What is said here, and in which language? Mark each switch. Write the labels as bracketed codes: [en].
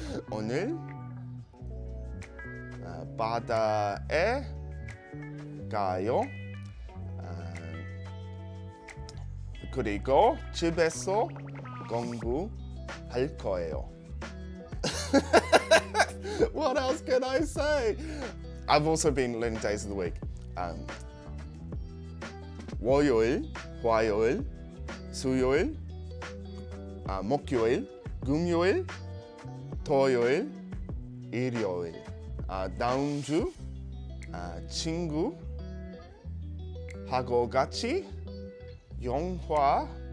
[ko] 오늘 바다에 가요. 그리고 집에서 공부할 거예요. [en] What else can I say? I've also been learning days of the week. [ko] 월요일, 화요일, 수요일, 목요일, 금요일, 토요일, 일요일. 다음 주 친구하고 같이 영화